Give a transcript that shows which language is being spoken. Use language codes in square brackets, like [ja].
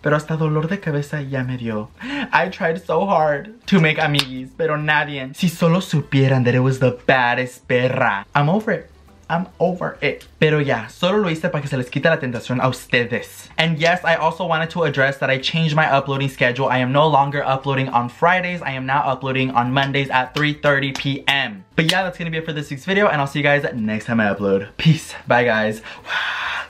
[es] Pero hasta dolor de cabeza ya me dio. [en] I tried so hard to make amiguis, [es] pero nadie. Si solo supieran [en] that it was the baddest perra. I'm over it. I'm over it. [es] Pero ya, solo lo hice para que se les quite la tentación a ustedes. [en] And yes, I also wanted to address that I changed my uploading schedule. I am no longer uploading on Fridays. I am now uploading on Mondays at 3:30 p.m. But yeah, that's gonna be it for this week's video. And I'll see you guys next time I upload. Peace. Bye, guys.